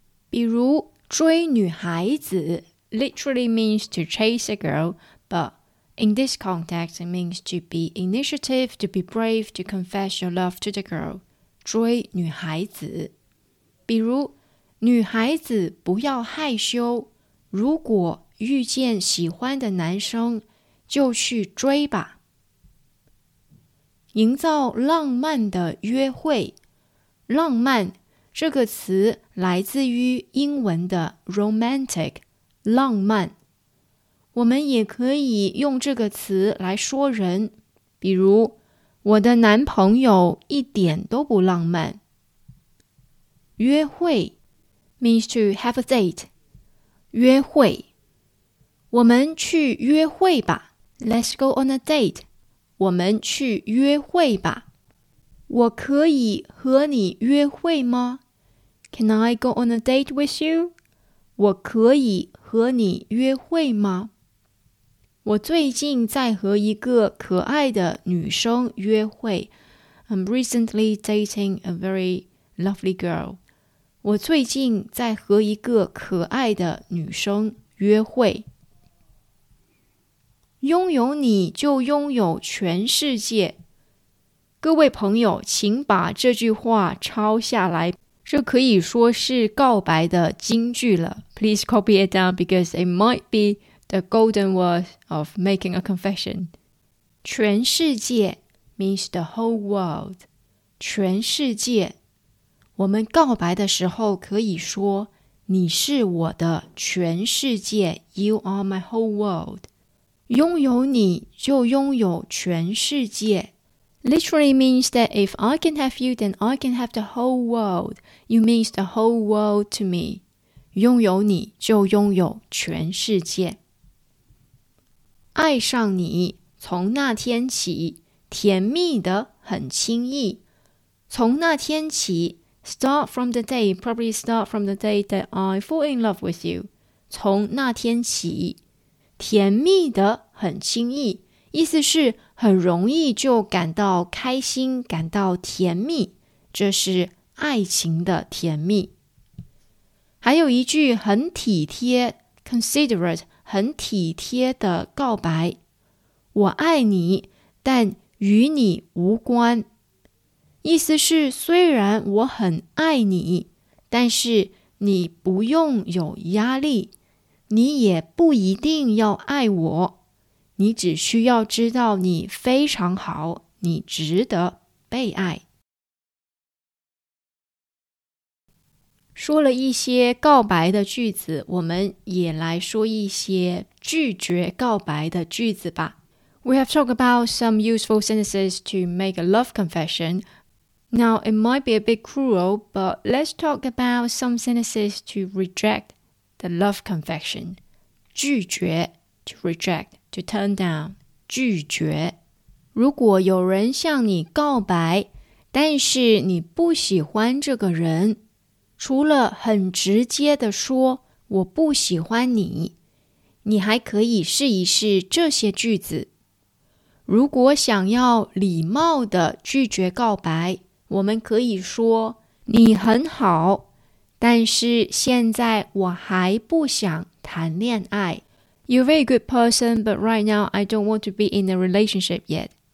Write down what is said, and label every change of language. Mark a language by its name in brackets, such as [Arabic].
[English] 比如 [Chinese] 追女孩子 [English] literally means to chase a girl, but in this context, it means to be initiative, to be brave, to confess your love to the girl. [Chinese] 追女孩子。比如，女孩子不要害羞，如果遇见喜欢的男生，就去追吧。营造浪漫的约会，浪漫这个词来自于英文的 romantic, 浪漫。我们也可以用这个词来说人，比如我的男朋友一点都不浪漫。约会 [English] means to have a date. [Chinese] 约会，我们去约会吧。 [English] Let's go on a date. [Chinese] 我们去约会吧。我可以和你约会吗？ [English] Can I go on a date with you? [Chinese] 我可以和你约会吗？我最近在和一个可爱的女生约会。 [English] I'm recently dating a very lovely girl. [Chinese] 我最近在和一个可爱的女生约会。拥有你就拥有全世界。各位朋友，请把这句话抄下来。这可以说是告白的金句了。 [English] Please copy it down because it might be the golden word of making a confession. 全世界 means the whole world. [Chinese] 全世界，我们告白的时候可以说你是我的全世界， [English] You are my whole world. [Chinese] 拥有你就拥有全世界。 [English] literally means that if I can have you, then I can have the whole world. You means the whole world to me. [Chinese] 拥有你就拥有全世界。爱上你，从那天起，甜蜜的很轻易。从那天起 [English] ，start from the day, probably start from the day that I fall in love with you. [Chinese] 从那天起，甜蜜的很轻易，意思是很容易就感到开心，感到甜蜜，这是爱情的甜蜜。还有一句很体贴 ，considerate， 很体贴的告白，我爱你，但与你无关。意思是虽然我很爱你，但是你不用有压力，你也不一定要爱我，你只需要知道你非常好，你值得被爱。说了一些告白的句子，我们也来说一些拒绝告白的句子吧。 [English] We have talked about some useful sentences to make a love confession. Now, it might be a bit cruel, but let's talk about some sentences to reject the love confession. [Chinese] 拒绝 [English] to reject, to turn down. [Chinese] 拒绝。如果有人向你告白，但是你不喜欢这个人，除了很直接的说我不喜欢你，你还可以试一试这些句子。如果想要礼貌的拒绝告白，我们可以说你很好，但是现在我还不想谈恋爱。 [English] You're a very good person, but right now I don't want to be in a relationship yet.